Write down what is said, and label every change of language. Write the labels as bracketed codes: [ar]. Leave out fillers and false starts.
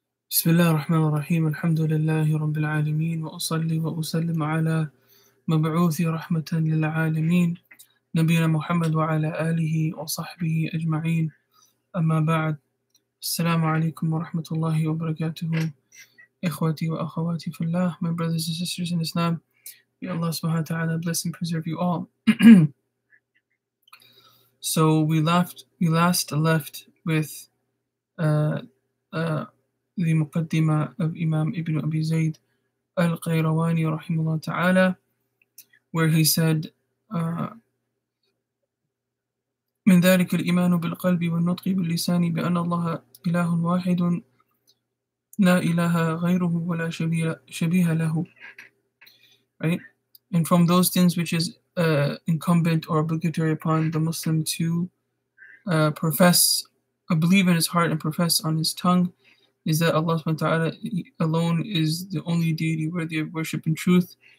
[ar] بسم الله الرحمن الرحيم، الحمد لله رب العالمين، وأصلي وأسلم على مبعوث رحمة للعالمين نبينا محمد وعلى آله وصحبه أجمعين، أما بعد، السلام عليكم ورحمة الله وبركاته. إخوتي وأخواتي في الله, [en] my brothers and sisters in Islam, may Allah subhanahu wa ta'ala bless and preserve you all. So we last left with the Muqaddimah of Imam Ibn Abī Zayd Al-Qayrawānī [ar] رحمه الله تعالى, [en] where he said [ar] من ذلك الإيمان بالقلب والنطق باللسان بأن الله إله واحد لا إله غيره ولا شبيه له. [en] Right, and from those things which is incumbent or obligatory upon the Muslim to profess, believe in his heart and profess on his tongue, is that Allah subhanahu wa ta'ala alone is the only deity worthy of worship in truth,